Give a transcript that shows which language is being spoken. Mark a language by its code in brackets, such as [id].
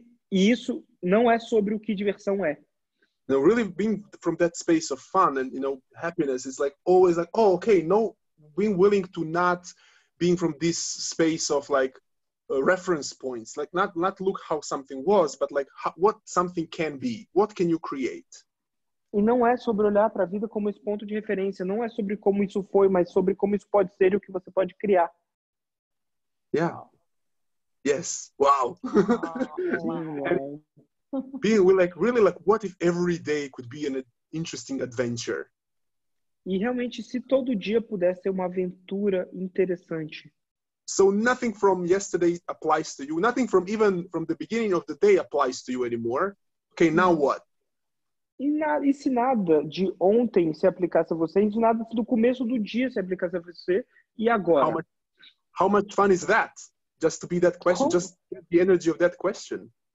[pt] E isso não é sobre o que diversão é. [en] No, really being from that space of fun and, you know, happiness is like always like, oh, okay, no, being willing to not being from this space of like reference points, like not look how something was, but like what something can be. What can you create? [pt] E não é sobre olhar para a vida como esse ponto de referência. Não é sobre como isso foi, mas sobre como isso pode ser e o que você pode criar. [en] Yeah. Yes. Wow. Being like, really like, what if every day could be an interesting adventure? [pt] E realmente, se todo dia pudesse ser uma aventura interessante. [en] So nothing from yesterday applies to you. Nothing from even from the beginning of the day applies to you anymore. Okay, now what? [pt] E se nada de ontem se aplicasse a você, e de nada do começo do dia se aplicasse a você, e agora? [en] How much fun is that? Just to be that question, just get the energy of that question.